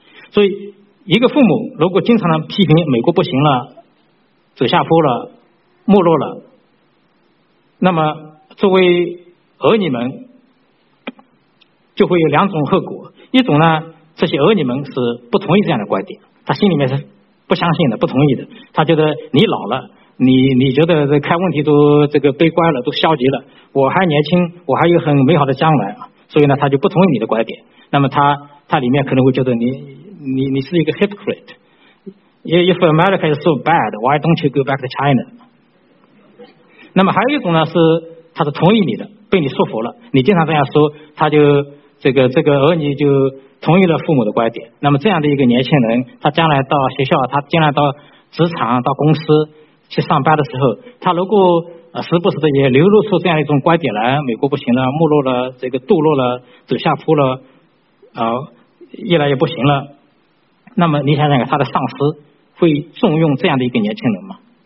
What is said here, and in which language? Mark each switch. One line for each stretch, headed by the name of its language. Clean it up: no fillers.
Chinese: 所以一个父母如果经常的批评美国不行了，走下坡了，没落了，那么作为儿女们就会有两种后果。一种呢，这些儿女们是不同意这样的观点，他心里面是不相信的，不同意的，他觉得你老了，你觉得看问题都这个悲观了，都消极了，我还年轻，我还有很美好的将来，所以呢他就不同意你的观点。那么他里面可能会觉得你是一个 hypocrite，
English: if America is so bad why don't you go back to China。
Chinese: 那么还有一种呢，是他是同意你的，被你说服了，你经常这样说，他就这个儿女就同意了父母的观点。那么这样的一个年轻人，他将来到学校，他将来到职场，到公司去上班的时候，他如果时不时的也流露出这样一种观点来，美国不行了，没落了，这个堕落了，走下坡了，越来越不行了，那么你想想他的上司会重用这样的一个年轻人吗？